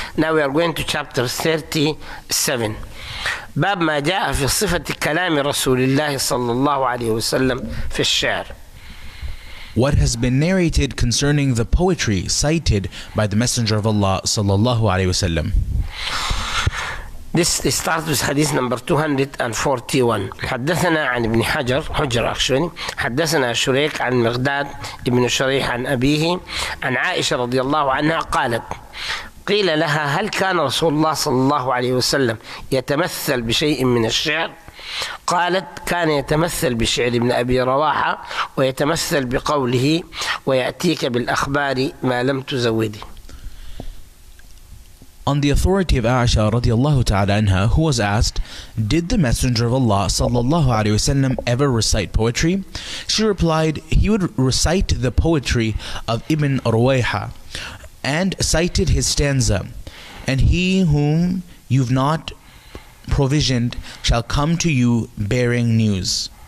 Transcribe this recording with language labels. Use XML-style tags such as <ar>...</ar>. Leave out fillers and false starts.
<en>Now we are going to chapter 37.</en> <ar>باب ما جاء في صفة كلام رسول الله صلى الله عليه وسلم في الشعر.</ar> <en>What has been narrated concerning the poetry cited by the Messenger of Allah صلى الله عليه وسلم. This starts with hadith number 241.</en> <ar>حدثنا عن ابن حجر, حجر actually, حدثنا شريك عن مغداد ابن شريح عن أبيه عن عائشة رضي الله عنها قالت, قيل لها: هل كان رسول الله صلى الله عليه وسلم يتمثل بشيء من الشعر؟ قالت: كان يتمثل بشعر ابن أبي رواحة، ويتمثل بقوله: ويأتيك بالأخبار ما لم تزوده.</ar> <en>On the authority of Aisha radiallahu ta'ala anha, who was asked, did the Messenger of Allah sallallahu alayhi wasallam ever recite poetry? She replied, he would recite the poetry of Ibn Ruwayha, and cited his stanza, and he whom you've not provisioned shall come to you bearing news.</en>